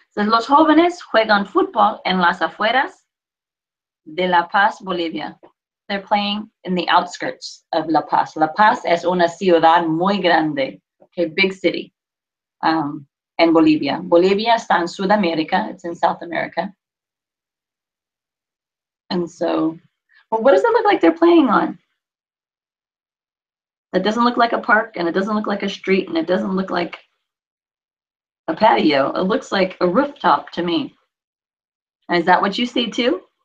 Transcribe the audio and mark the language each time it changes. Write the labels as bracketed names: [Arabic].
[Spanish] So los jóvenes juegan fútbol en las afueras de La Paz, Bolivia. [English] They're playing in the outskirts of La Paz. [Spanish] La Paz es una ciudad muy grande, okay, [English] big city, [Spanish] in Bolivia. [English] Bolivia [Spanish] está en Sudamérica, [English] it's in South America. And so, well, what does it look like they're playing on? It doesn't look like a park, and it doesn't look like a street, and it doesn't look like a patio. It looks like a rooftop to me. And is that what you see too?